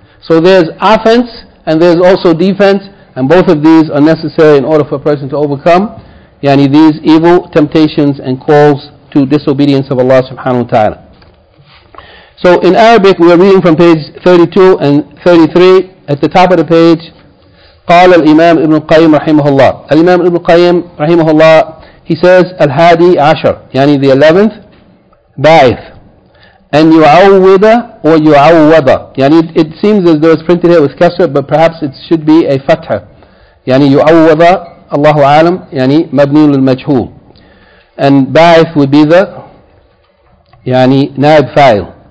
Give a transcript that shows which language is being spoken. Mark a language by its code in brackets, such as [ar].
[en] So there's offense and there's also defense, and both of these are necessary in order for a person to overcome yani these evil temptations and calls to disobedience of Allah subhanahu wa ta'ala. So in Arabic, we are reading from page 32 and 33. At the top of the page, [ar] قال الإمام ابن القيم رحمه الله. الإمام ابن القيم رحمه الله, [en] he says, [ar] الهادي عشر, يعني [en] the 11th, [ar] باعث, أن يعوض ويعوض. [en] يعني it seems as though it's printed here with كسر, but perhaps it should be a فتحة. [ar] يعني يعوض, الله عالم, يعني مبني للمجهول. [en] And باعث would be the, [ar] يعني نائب فاعل.